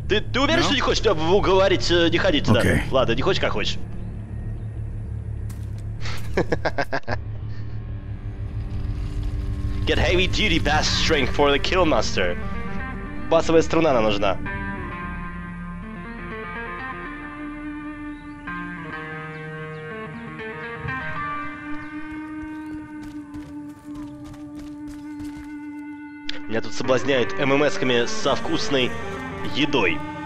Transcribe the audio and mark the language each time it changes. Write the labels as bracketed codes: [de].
[ru] Ты уверен, что не хочешь меня уговорить не ходить туда? Ладно, не хочешь, как хочешь. [en] Get heavy duty bass strength for the kill master. [ru] Басовая струна нам нужна. Меня тут соблазняют ММС-ками со вкусной едой.